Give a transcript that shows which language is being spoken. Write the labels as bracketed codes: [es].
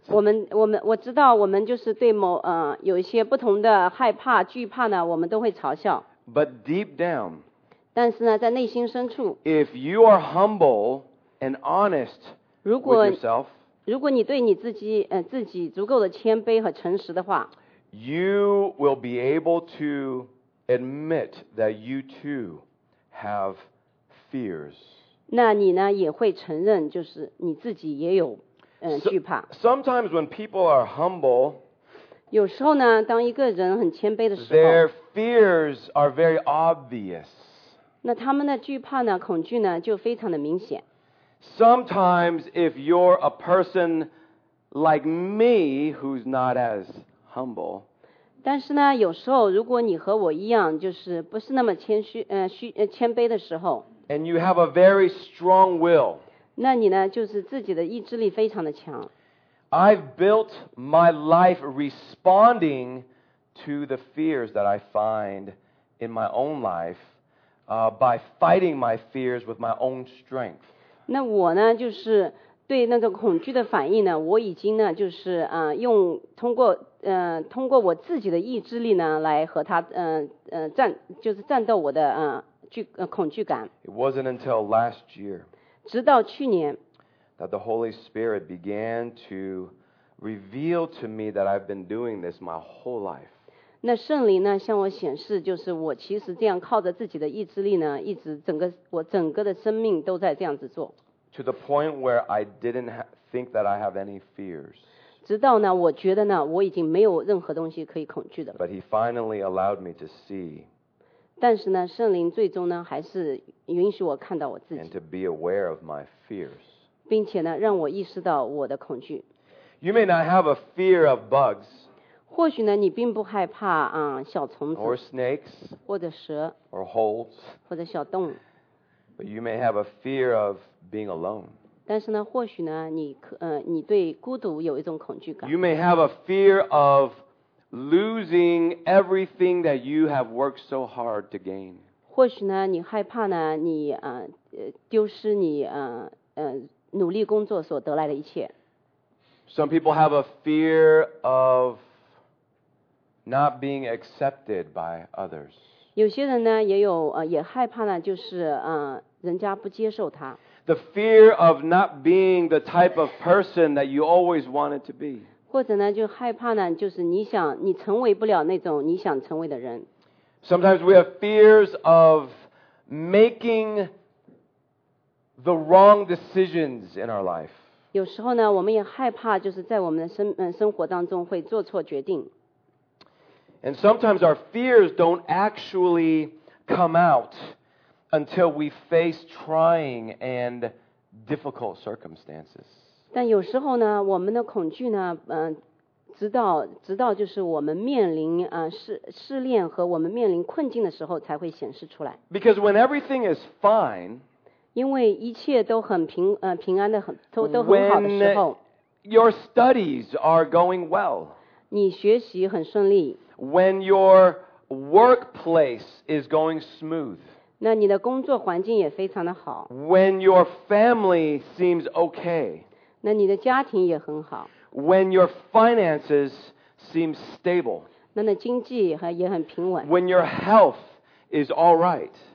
[zh] 我知道我们就是对某有一些不同的害怕惧怕呢，我们都会嘲笑。 [en] But deep down, [zh] 但是呢，在内心深处 [en] ，if you are humble and honest with yourself, [zh] 如果你对你自己足够的谦卑和诚实的话 [en] ，you will be able to admit that you too have fears. [zh] 那你呢也会承认就是你自己也有惧怕。 [en] Sometimes when people are humble, [zh] 有时候呢当一个人很谦卑的时候 [en] their fears are very obvious. [zh] 那他们的惧怕呢恐惧呢就非常的明显。 [en] Sometimes if you're a person like me who's not as humble, [zh] 但是呢有时候如果你和我一样就是不是那么谦卑的时候 [en] And you have a very strong will. [zh] 那你呢就是自己的意志力非常的强。 [en] I've built my life responding to the fears that I find in my own life, by fighting my fears with my own strength. [zh] 那我呢就是对那种恐惧的反应呢我已经呢就是用通过我自己的意志力呢来和他就是战斗我的恐惧感。 [en] It wasn't until last year, [zh] 直到去年, [en] that the Holy Spirit began to reveal to me that I've been doing this my whole life. [zh] 那圣灵呢向我显示，就是我其实这样靠着自己的意志力呢，一直整个的生命都在这样子做。 [en] To the point where I didn't think that I have any fears. [zh] 直到呢，我觉得呢，我已经没有任何东西可以恐惧的。 [en] But He finally allowed me to see. [zh] 但是呢，圣灵最终呢，还是允许我看到我自己。 [en] And to be aware of my fears. [zh] 并且呢，让我意识到我的恐惧。 [en] You may not have a fear of bugs. [zh] 或许呢，你并不害怕小虫子。 [en] Or snakes. [zh] 或者蛇。 [en] Or holes. [zh] 或者小洞。 [en] But you may have a fear of being alone. [zh] 但是呢，或许呢，你对孤独有一种恐惧感。 [en] You may have a fear of losing everything that you have worked so hard to gain. [zh] 或许呢，你害怕呢，你丢失你努力工作所得来的一切。 [en] Some people have a fear of not being accepted by others. [zh] 有些人呢，也有也害怕呢，就是人家不接受他。 [en] The fear of not being the type of person that you always wanted to be. [zh] 或者呢，就害怕呢，就是你成为不了那种你想成为的人。 [en] Sometimes we have fears of making the wrong decisions in our life. [zh] 有时候呢，我们也害怕，就是在我们的生活当中会做错决定。 [en] And sometimes our fears don't actually come out until we face trying and difficult circumstances. [zh] 但有时候呢，我们的恐惧呢，直到就是我们面临试炼和我们面临困境的时候，才会显示出来。 [en] Because when everything is fine, [zh] 因为一切都很平安的很都很好的时候 [en] ，when your studies are going well, [zh] 你学习很顺利 [en] ，when your workplace is going smooth. [zh] 那你的工作环境也非常的好。 [en] When your family seems okay. [zh] 那你的家庭也很好。 [en] When your finances seem stable. [zh] 那你经济也很平稳。 [en] When your health is all right.